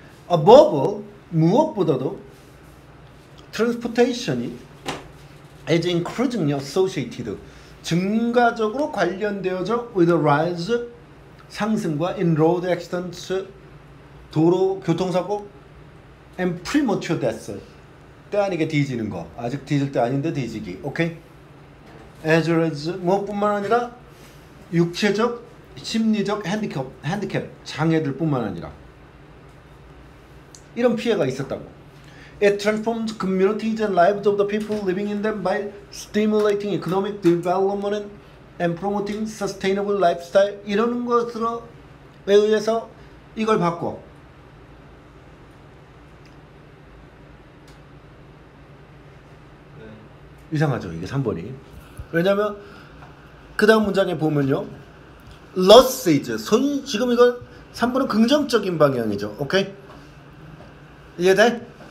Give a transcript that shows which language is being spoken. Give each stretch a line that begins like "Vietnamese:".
English: Above all,
Korean: 무엇보다도
English: transportation이 is increasingly associated,
Korean: 증가적으로 관련되어져
English: with the rise
Korean: 상승과
English: in road accidents,
Korean: 도로 교통사고
English: and premature deaths.
Korean: 때 아니게 뒤지는 거. 아직 뒤질 때 아닌데 뒤지기. 오케이?
English: As well as,
Korean: 무엇뿐만 아니라 육체적, 심리적 핸디캡, 장애들 뿐만 아니라 이런 피해가 있었다고.
English: It transforms communities and lives of the people living in them by stimulating economic development and promoting sustainable lifestyle.
Korean: 이런 것으로 의해서 이걸 바꿔. 이상하죠, 이게 3번이. 왜냐면 그 다음 문장에 보면요, losses, 손, 지금 이건 3번은 긍정적인 방향이죠. 오케이? 이해돼?